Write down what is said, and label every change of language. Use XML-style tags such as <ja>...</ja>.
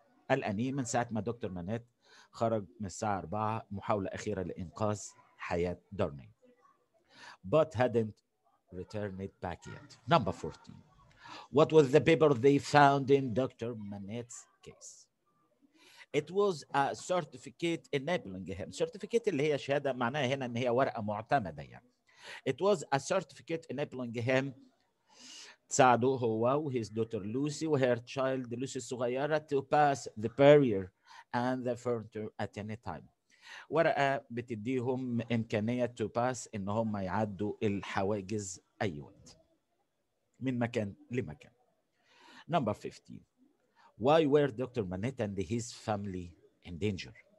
<ar>الأنين من ساعة ما دكتور مانيت خرج من الساعة 4 محاولة أخيرة لإنقاذ حياة دارني.</ar> <en>But hadn't returned back yet. Number 14. What was the paper they found in Dr. Manette's case? It was a certificate enabling him.</en> <ar>Certificate اللي هي شهادة معناها هنا إن هي ورقة معتمدة يعني.</ar> <en>It was a certificate enabling him</en> <ar>تساعده هو و</ar> <en>his daughter Lucy و her child Lucy</en> <ar>الصغيرة</ar> <en>to pass the barrier and the furniture at any time.</en> <ar>ورقة بتديهم إمكانية</ar> <en>to pass</en> <ar>إن هم يعدوا الحواجز أي وقت من مكان لمكان.</ar> <en>Number 15. Why were Dr. Manette and his family in danger?</en>